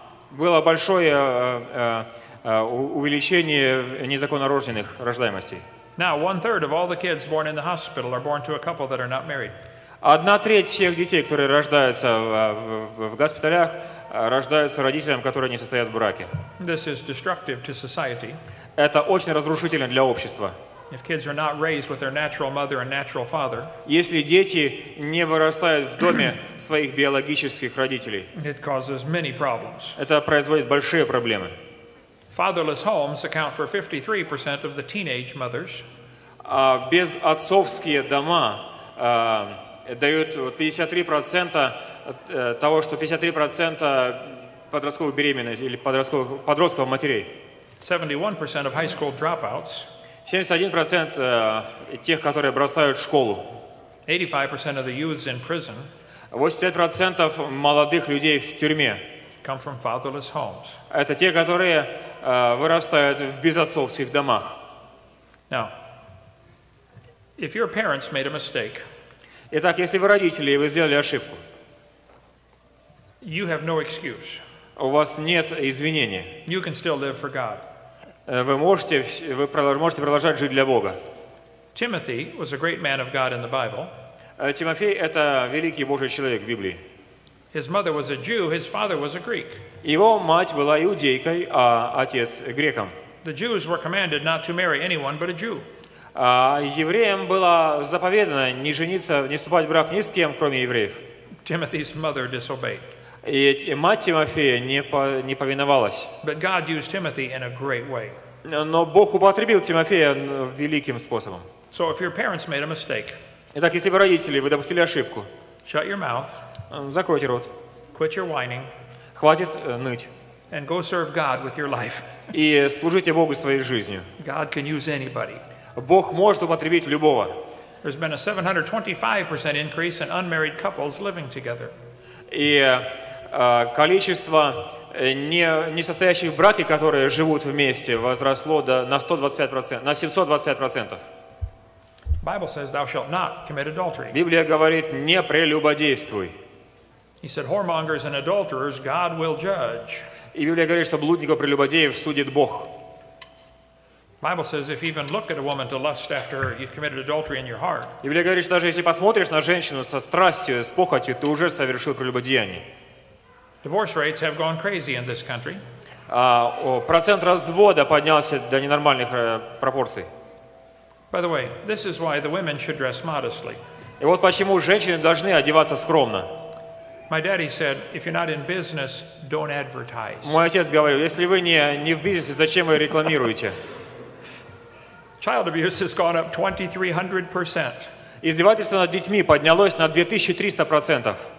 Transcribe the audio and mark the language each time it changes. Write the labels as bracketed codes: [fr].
[ru] Было большое увеличение незаконнорожденных рождаемостей. [en] Now, 1/3 of all the kids born in the hospital are born to a couple that are not married. [ru] 1/3 всех детей, которые рождаются в госпиталях, рождаются родителям, которые не состоят в браке. [en] This is destructive to society. [ru] Это очень разрушительно для общества. [en] If kids are not raised with their natural mother and natural father, [ru] если дети не вырастают в доме своих биологических родителей, [en] it causes many problems. [ru] Это производит большие проблемы. [en] Fatherless homes account for 53% of the teenage mothers. [ru] Безотцовские дома дают 53% того, что 53% подростковых беременных или подростков матерей. [en] 71% of high school dropouts. [ru] 71% тех, которые бросают школу. [en] 85% of the youths in prison. [ru] 85% молодых людей в тюрьме. [en] Come from fatherless homes. [ru] Это те, которые вырастают в безотцовских домах. [en] Now, if your parents made a mistake, [ru] итак, если вы родители и вы сделали ошибку, [en] you have no excuse. [ru] У вас нет извинения. [en] You can still live for God. [ru] Вы можете продолжать жить для Бога. [en] Timothy was a great man of God in the Bible. [ru] Тимофей это великий Божий человек в Библии. [en] His mother was a Jew, his father was a Greek. [ru] Его мать была иудейкой, а отец греком. [en] The Jews were commanded not to marry anyone but a Jew. [ru] А евреям было заповедано не жениться, не вступать в брак ни с кем, кроме евреев. [en] Timothy's mother disobeyed. [ru] И мать Тимофея не повиновалась. [en] But God used Timothy in a great way. [ru] Но Бог употребил Тимофея великим способом. [en] So if your parents made a mistake, [ru] итак, если вы родители, вы допустили ошибку, [en] shut your mouth. [ru] Закройте рот. [en] Quit your whining. [ru] Хватит ныть. [en] and go serve God with your life. [ru] И служите Богу своей жизнью. [en] God can use anybody. [ru] Бог может употребить любого. [en] There's been a 725% increase in unmarried couples living together. [ru] И количество несостоящих в браке, которые живут вместе, возросло на 125%, на 725%. [en] Bible says thou shalt not commit adultery. [ru] Библия говорит: не прелюбодействуй. [en] He said whoremongers and adulterers God will judge. [ru] И Библия говорит, что блудников и прелюбодеев судит Бог. [en] Bible says if you even look at a woman to lust after her, you've committed adultery in your heart. [ru] Библия говорит, что даже если посмотришь на женщину со страстью, с похотью, ты уже совершил прелюбодеяние. [en] Divorce rates have gone crazy in this country. [ru] Процент развода поднялся до ненормальных пропорций. [en] By the way, this is why the women should dress modestly. [ru] И вот почему женщины должны одеваться скромно. [en] My daddy said, if you're not in business, don't advertise. [ru] Мой отец говорил, если вы не в бизнесе, зачем вы рекламируете? [en] Child abuse has gone up 2300%. [ru] Издевательство над детьми поднялось на 2300%.